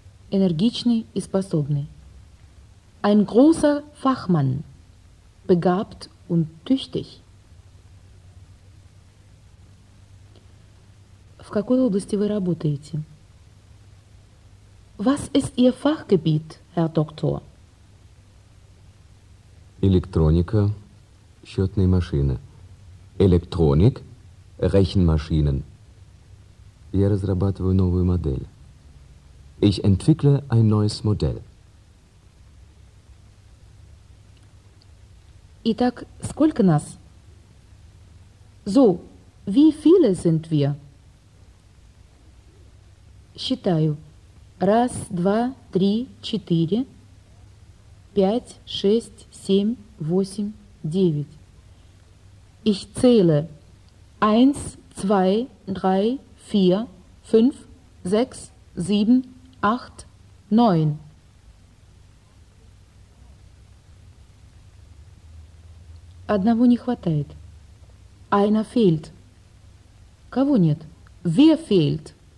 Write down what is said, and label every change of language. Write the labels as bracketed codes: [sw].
[ru] Энергичный и способный. [de] Ein großer Fachmann. Begabt und tüchtig. [ru] В какой области вы работаете? [de] Was ist Ihr Fachgebiet, Herr Doktor? [ru] Электроника, счетные машины. [de] Электроник, Rechenmaschinen. [ru] Я разрабатываю новую модель. [de] Ich entwickle ein neues Modell. [ru] Итак, сколько нас? [de] So, wie viele sind wir? [ru] Считаю. Раз, два, три, четыре, пять, шесть, семь, восемь, девять. [de] Ich zähle. Eins, zwei, drei, vier, fünf, sechs, sieben, acht, neun. [ru] Одного не хватает. [de] Einer fehlt. [ru] Кого нет? [de] Wer fehlt?